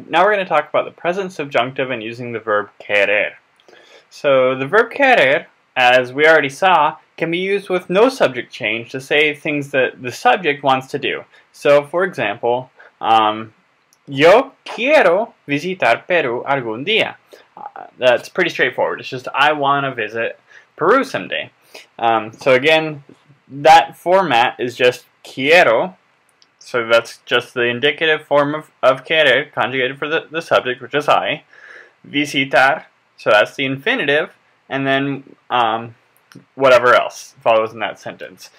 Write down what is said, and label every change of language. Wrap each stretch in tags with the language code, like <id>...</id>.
<en>now we're going to talk about the present subjunctive and using the verb querer. So the verb querer, as we already saw, can be used with no subject change to say things that the subject wants to do. So, for example,</en> <es>yo quiero visitar Peru algún día.</es> <en>That's pretty straightforward. It's just, I want to visit Peru someday. So again, that format is just quiero. So that's just the indicative form of querer, conjugated for the subject, which is I. Visitar, so that's the infinitive, and then whatever else follows in that sentence.</en>